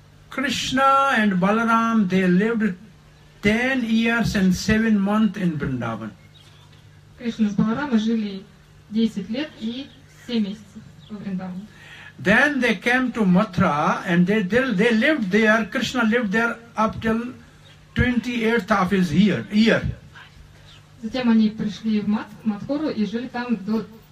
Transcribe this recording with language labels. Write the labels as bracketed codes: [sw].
[en] Krishna and Balaram, they lived 10 years and 7 months in Vrindavan. [ru] Krishna and Balaram жили 10 лет и 7 месяцев в Вриндаване. [en] Then they came to Mathura and they lived there. Krishna lived there up till 28th of his year. [ru] Затем они пришли в Матхуру и жили там до